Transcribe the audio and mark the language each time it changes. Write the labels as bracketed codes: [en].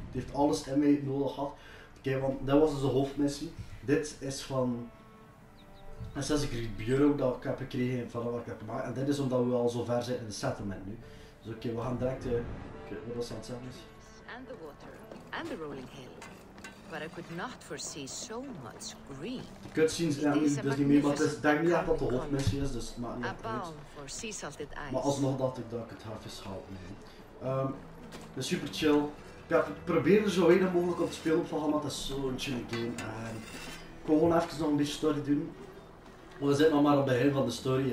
[nl] Het heeft alles in mij nodig gehad. Oké, want dat was dus de hoofdmissie. Dit is van Assassin's Creed Bureau dat ik heb gekregen van wat ik heb gemaakt. En dit is omdat we al zo ver zijn in de settlement nu. Dus oké, we gaan direct. Oké, wat was aan het zeggen? [en] And the water and the rolling hill. But I could not foresee so much green. [nl] De cutscenes zijn niet, dus niet meer, maar ik denk niet echt dat de hoofdmissie is, dus het maakt niet uit. Maar alsnog dacht ik dat ik het half is gehaald. Nee. Het is super chill. Ik probeer er zo weinig mogelijk op te spelen op te gaan, maar het is zo'n chille game. En ik kon gewoon even nog een beetje story doen. We zitten nog maar op het begin van de story.